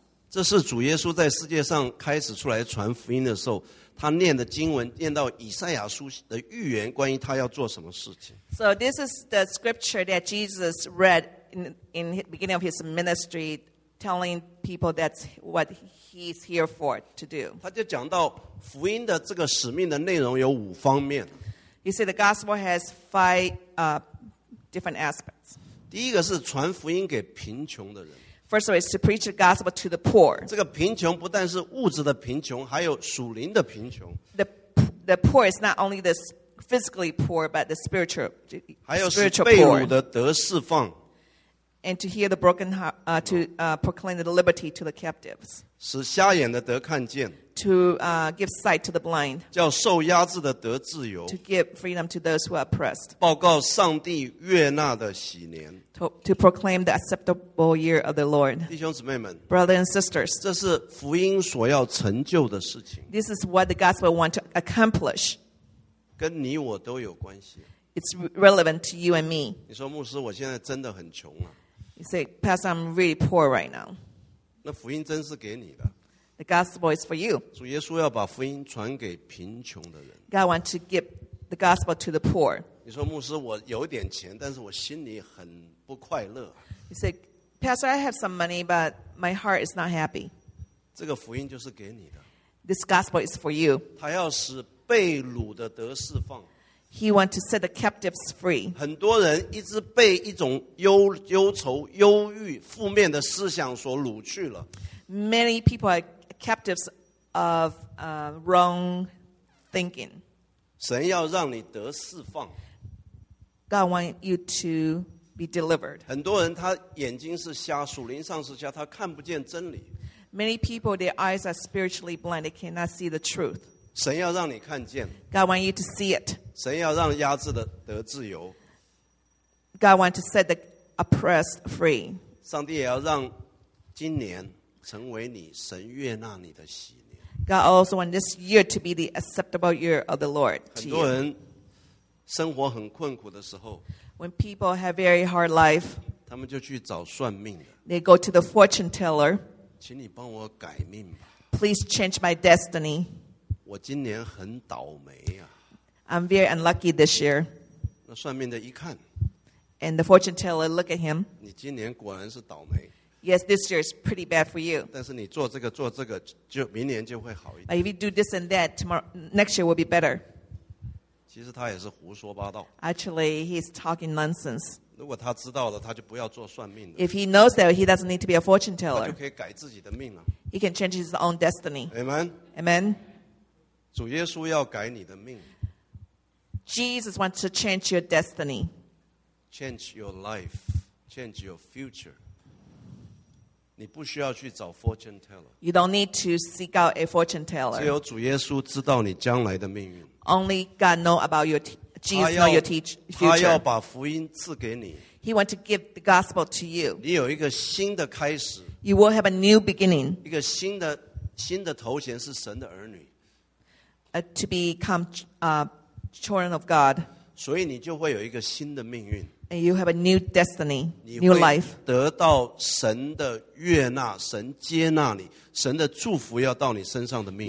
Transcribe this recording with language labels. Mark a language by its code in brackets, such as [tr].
[zh] 这是主耶稣在世界上开始出来传福音的时候，他念的经文，念到以赛亚书的预言，关于他要做什么事情。 [en] So this is the scripture that Jesus read in the beginning of his ministry, telling people that's what he's here for to do. [zh] 他就讲到福音的这个使命的内容有五方面。 [en] He said the gospel has five different aspects. [zh] 第一个是传福音给贫穷的人。 [en] First of all, is to preach the gospel to the poor. [zh] 这个贫穷不但是物质的贫穷，还有属灵的贫穷。 [en] The poor is not only the physically poor, but the spiritual poor. [zh] 还有使被掳的得释放。 [en] And to hear the broken heart, to proclaim the liberty to the captives. [zh] 使瞎眼的得看见。 [en] To give sight to the blind. [zh] 叫受压制的得自由。 [en] To give freedom to those who are oppressed. [zh] 报告上帝悦纳的喜年。 [en] To proclaim the acceptable year of the Lord. [zh] 弟兄姊妹们。 [en] Brothers and sisters. [zh] 这是福音所要成就的事情。 [en] This is what the gospel wants to accomplish. [zh] 跟你我都有关系。 [en] It's relevant to you and me. [zh] 你说牧师我现在真的很穷啊。 [en] You say, Pastor, I'm really poor right now. [zh] 那福音真是给你的。 [en] The gospel is for you. [zh] 主耶稣要把福音传给贫穷的人。 [en] God wants to give the gospel to the poor. [zh] 你说牧师我有点钱，但是我心里很不快乐。 [en] You say, Pastor, I have some money, but my heart is not happy. [zh] 这个福音就是给你的。 [en] This gospel is for you. [zh] 他要使被掳的得释放。 [en] He wants to set the captives free. [zh] 很多人一直被一种忧愁、忧郁、负面的思想所掳去了。 [en] Many people are captives of wrong thinking. [zh] 神要让你得释放。 [en] God wants you to be delivered. [zh] 很多人他眼睛是瞎，属灵上是瞎，他看不见真理。 [en] Many people, their eyes are spiritually blind. They cannot see the truth. [zh] 神要让你看见。 [en] God wants you to see it. [zh] 神要让压制的得自由。 [en] God wants to set the oppressed free. [zh] 上帝也要让今年成为你神悦纳你的喜年。 [en] God also wants this year to be the acceptable year of the Lord. [zh] 很多人生活很困苦的时候， [en] when people have very hard life, [zh] 他们就去找算命了。 [en] They go to the fortune teller. [zh] 请你帮我改命吧。 [en] Please change my destiny. [zh] 我今年很倒霉啊。 [en] I'm very unlucky this year. [zh] 那算命的一看， [en] and the fortune teller look at him. [zh] 你今年果然是倒霉。 [en] Yes, this year is pretty bad for you. [zh] 但是你做这个做这个，就明年就会好一点。 [en] If you do this and that, tomorrow, next year will be better. [zh] 其实他也是胡说八道。 [en] Actually, he's talking nonsense. [zh] 如果他知道了，他就不要做算命了。 [en] If he knows that, he doesn't need to be a fortune teller. [zh] 他就可以改自己的命了。 [en] He can change his own destiny. Amen. Amen. [zh] 主耶稣要改你的命。 [en] Jesus wants to change your destiny. Change your life. Change your future. [zh] 你不需要去找 fortune teller. [en] You don't need to seek out a fortune teller. [zh] 只有主耶稣知道你将来的命运。 [en] Only God knows about your Jesus knows your future. [zh] 他要把福音赐给你。 [en] He wants to give the gospel to you. [zh] 你有一个新的开始。 [en] You will have a new beginning. [zh] 一个新的头衔是神的儿女。 [en] To become children of God. [zh] 所以你就会有一个新的命运。 [en] And you have a new destiny, new life. [zh] 得到神的悦纳，神接纳你，神的祝福要到你身上的命。